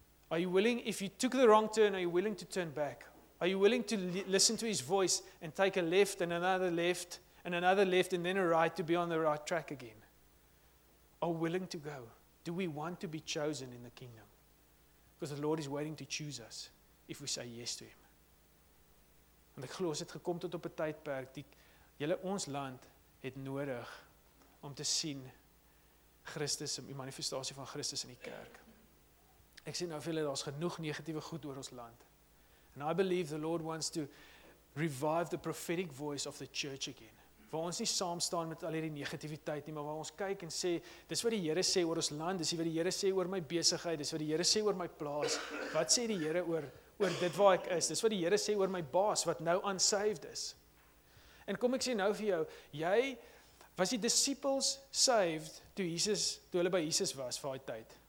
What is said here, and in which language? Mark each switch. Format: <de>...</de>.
<en>Are you willing, if you took the wrong turn, are you willing to turn back? Are you willing to listen to his voice and take a left and another left? And another left and then a right to be on the right track again. Are willing to go. Do we want to be chosen in the kingdom? Because the Lord is waiting to choose us if we say yes to him.</en> <af>En ek glo ons het gekom tot op 'n tydperk, julle ons land het nodig om te sien Christus, die manifestatie van Christus in die kerk. Ek sê nou vir julle, daar is genoeg negatieve goed oor ons land.</af> <en>And I believe the Lord wants to revive the prophetic voice of the church again.</en> <af>Waar ons nie saam staan met al die negativiteit nie, maar waar ons kyk en sê, dis wat die Here sê oor ons land, dis wat die Here sê oor my besigheid, dis wat die Here sê oor my plaas, wat sê die Here oor dit waar ek is, dis wat die Here sê oor my baas, wat nou unsaved is. En kom ek sê nou vir jou, jy, was die disciples saved, toe hulle by Jesus was vir die tyd?</af>